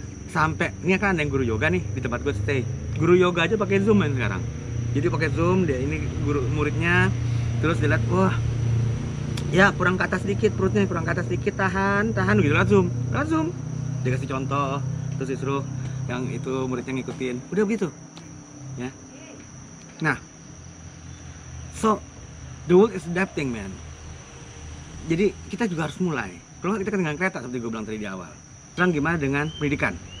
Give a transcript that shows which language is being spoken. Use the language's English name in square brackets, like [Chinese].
[Indonesian] Sampai ini kan ada yang guru yoga nih di tempat gue stay, guru yoga aja pakai Zoom kan sekarang, jadi pakai Zoom dia ini guru muridnya, terus dilihat, wah ya kurang ke atas sedikit perutnya, kurang ke atas sedikit, tahan, tahan gitu, langsung dikasih contoh, terus disuruh yang itu muridnya ngikutin, udah begitu ya. [English] Nah, so the world is adapting, man. [Indonesian] Jadi kita juga harus mulai. Kalau kita ketinggalan kereta seperti gue bilang tadi di awal. Sekarang gimana dengan pendidikan?